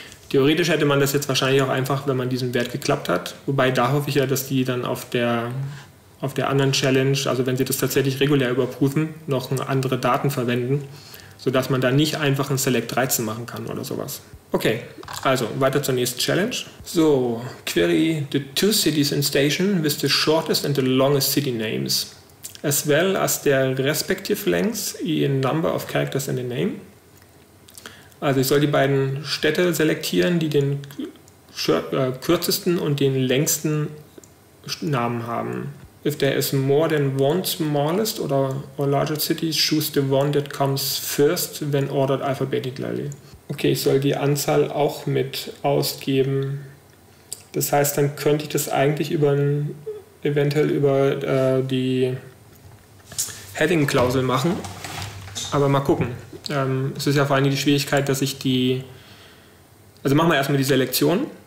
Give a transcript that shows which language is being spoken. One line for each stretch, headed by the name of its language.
German: Theoretisch hätte man das jetzt wahrscheinlich auch einfach, wenn man diesen Wert geklappt hat. Wobei, da hoffe ich ja, dass die dann auf der anderen Challenge, also wenn sie das tatsächlich regulär überprüfen, noch andere Daten verwenden, sodass man da nicht einfach ein Select 13 machen kann oder sowas. Okay, also weiter zur nächsten Challenge.
English: So, query the two cities in station with the shortest and the longest city names, as well as their respective lengths in number of characters in the name.
German: Also ich soll die beiden Städte selektieren, die den kürzesten und den längsten Namen haben.
English: If there is more than one smallest or larger city, choose the one that comes first when ordered alphabetically.
German: Okay, ich soll die Anzahl auch mit ausgeben. Das heißt, dann könnte ich das eigentlich eventuell über die Heading-Klausel machen. Aber mal gucken. Es ist ja vor allem die Schwierigkeit, dass ich die... Also machen wir erstmal die Selektion.